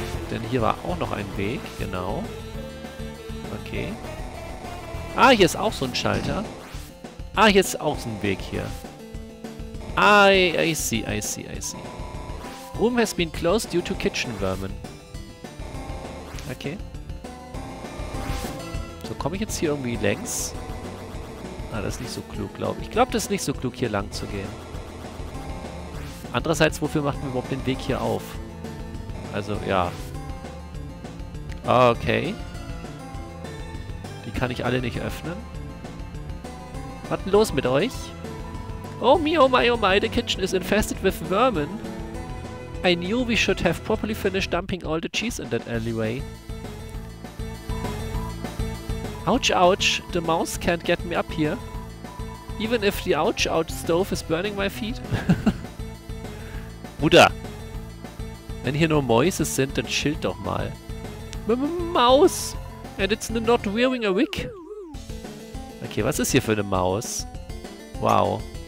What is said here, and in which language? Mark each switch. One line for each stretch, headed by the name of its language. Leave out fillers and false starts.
German: Denn hier war auch noch ein Weg, genau. Okay. Ah, hier ist auch so ein Schalter. Ah, hier ist auch so ein Weg hier.
English: I see. Room has been closed due to kitchen vermin. Okay.
German: So, komme ich jetzt hier irgendwie längs? Ah, das ist nicht so klug, glaube ich. Ich glaube, das ist nicht so klug, hier lang zu gehen. Andererseits, wofür macht man überhaupt den Weg hier auf? Also, ja. Okay. Die kann ich alle nicht öffnen. Was denn los mit euch?
English: Oh my, the kitchen is infested with vermin. I knew we should have properly finished dumping all the cheese in that alleyway. Ouch, the mouse can't get me up here. Even if the ouch stove is burning my feet.
German: Bruder! Wenn hier nur Mäuse sind, dann chillt doch mal.
English: Maus! And it's not wearing a wig.
German: Okay, was ist hier für eine Maus? Wow.